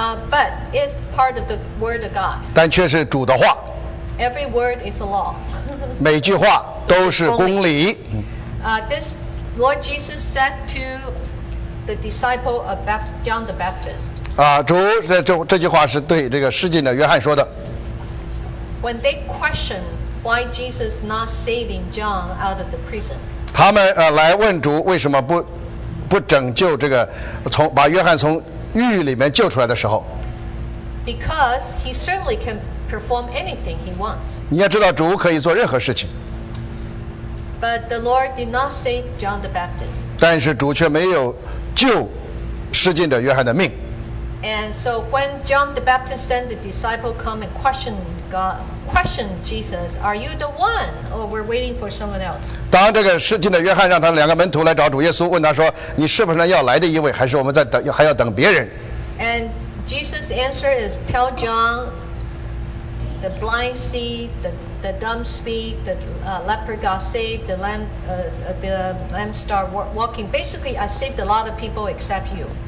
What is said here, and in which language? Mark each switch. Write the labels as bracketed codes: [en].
[en] But it's part of the word of God. [zh] 但却是主的话。 [en] Every word is a law. [zh] 每句话都是公理。 [en] This Lord Jesus said to the disciple of John the Baptist. [zh] 主这句话是对这个施浸的约翰说的。 [en] When they questioned why Jesus not saving John out of the prison. [zh] 他们来问主为什么不拯救这个从把约翰从狱里面救出来的时候 [en] ，Because he certainly can perform anything he wants. [zh] 你要知道，主可以做任何事情。 [en] But the Lord did not save John the Baptist. [zh] 但是主却没有救施浸者约翰的命。 [en] And so when John the Baptist sent the disciple come and questioned Jesus, "Are you the one, or we're waiting for someone else?" [zh] 当这个施浸的约翰让他两个门徒来找主耶稣，问他说：“你是不是要来的一位，还是我们在等，还要等别人？” [en] And Jesus' answer is, "Tell John, the blind see, the dumb speak, the leper got saved, the lame start walking. Basically, I saved a lot of people except you."